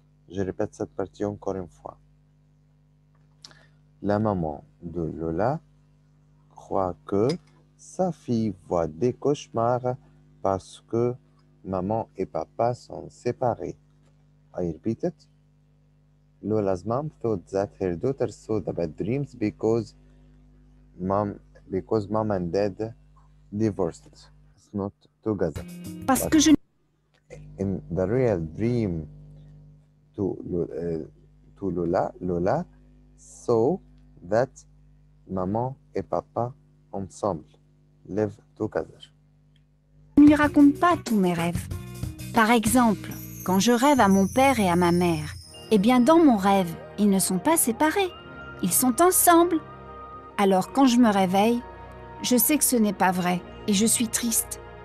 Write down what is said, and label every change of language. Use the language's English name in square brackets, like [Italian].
[French] Je répète cette partie encore une fois. La maman de Lola croit que sa fille voit des cauchemars parce que maman et papa sont séparés. [English] I repeat it. Lola's mom thought that her daughter saw the bad dreams because mom and dad divorced. It's not together. [French] Parce que je... [English] In the real dream to Lola, Lola saw that [French] maman et papa ensemble [English] live together. [French] Je ne lui raconte pas tous mes rêves. Par exemple, quand je rêve à mon père et à ma mère, eh bien, dans mon rêve, ils ne sont pas séparés. Ils sont ensemble. Alors, quand je me réveille, je sais que ce n'est pas vrai et je suis triste.